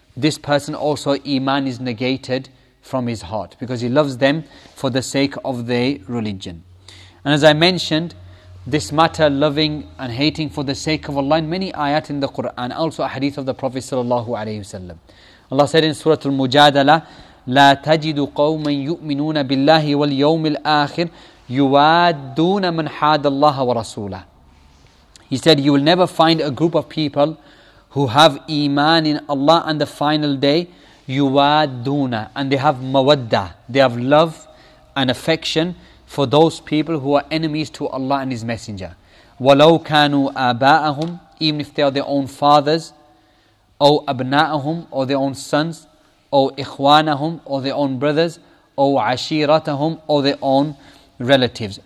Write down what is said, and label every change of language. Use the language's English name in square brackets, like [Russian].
[English] This person also, iman is negated from his heart because he loves them for the sake of their religion. And as I mentioned, this matter, loving and hating for the sake of Allah, in many ayat in the Quran, also a hadith of the Prophet sallallahu alaihi wasallam. Allah said in Surah Al-Mujadala, [Arabic] لا تجد قوما يؤمنون بالله واليوم الآخر يوادون من حاد الله ورسوله. [English] He said, you will never find a group of people who have iman in Allah and the final day, يوادون, and they have mawadda, they have love and affection for those people who are enemies to Allah and His Messenger. [Arabic] ولو كانوا آباءهم, [English] even if they are their own fathers, [Arabic] أو أبناءهم, [English] or their own sons, or ikhwanahum, or their own brothers, or ashiratahum, or their own relatives.